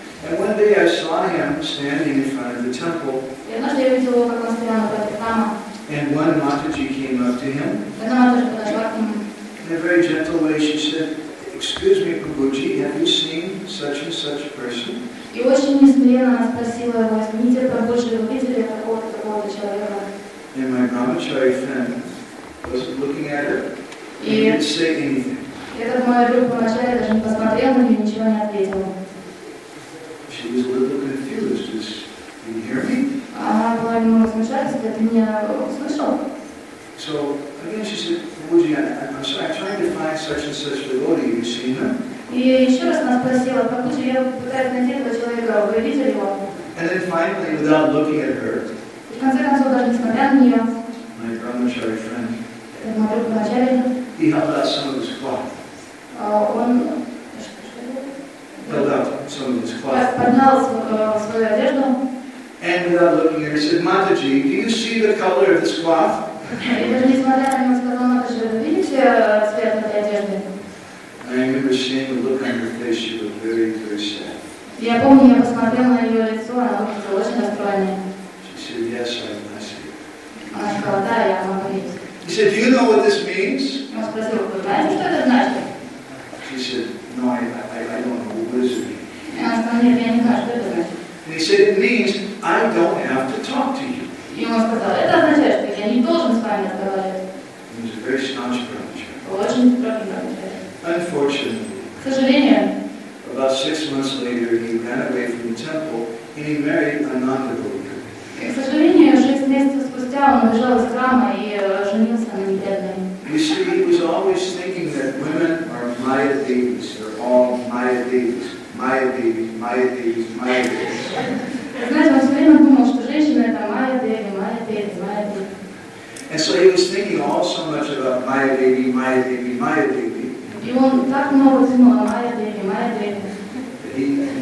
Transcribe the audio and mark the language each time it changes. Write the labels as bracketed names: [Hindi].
[English] And one day I saw him standing in front of the temple. And one Mataji came up to him. In a very gentle way she said, "Excuse me, Prabhuji, have you seen such and such a person?" [Russian] И очень несмиренно она спросила его, извините, Прабхуджи, вы видели какого-то такого человека? [English] And my Brahmachari friend was looking at her and didn't say anything. [Russian] И этот мой друг Брахмачари даже не посмотрел на нее, ничего не ответил. [English] She was a little confused. Just, can you hear me? [Russian] Она была немного смущалась, ты меня услышал? [English] So, again she said, Prabhuji, I'm trying to find such and such devotee, have you seen her? [Russian] И еще раз она спросила, Прабхуджи, я пытаюсь найти этого человека, вы видели его? [English] And then finally, without looking at her, [Russian] в конце концов, даже несмотря на нее, [English] my Brahmachari friend, [Russian] мой друг Брахмачари, [English] he held out some of his cloth. [Russian] Он [English] held out some of his cloth. [Russian] Поднял свою одежду. [English] And without looking at her, he said, Mataji, do you see the color of this cloth? [Russian] И даже несмотря на него, он сказал, Мададжи, вы видите цвет этой одежды? [English] I remember seeing the look on her face, she looked very, very sad. [Russian] Я помню, я посмотрел на ее лицо, она выглядела очень расстроенной. [English] She said, yes, I see. [Russian] Она сказала, да, я могу видеть. [English] He said, do you know what this means? [Russian] Он спросил, вы знаете, что это значит? [English] She said, no, I don't know, what does it mean? [Russian] И она сказала, нет, я не знаю, что это значит. [English] And he said, it means, I don't have to talk to you. [Russian] И он сказал, это означает, что я не должен с вами разговаривать. [English] He was a very staunch preacher. [Russian] Очень правильный человек. [English] Unfortunately, about 6 months later, he ran away from the temple and he married a non-devotee. You see, he was always thinking that women are Maya Devis. They're all Maya Devis. Maya Devis, Maya Devis, Maya Devis. [Russian] Знаете, он все время думал, что женщины это Maya Devi, Maya Devis, Maya Devis. [English] And so he was thinking all so much about Maya Devi, Maya Devi, Maya Devi. [Russian] И он так много думал о Майя Деви, Майя Деви.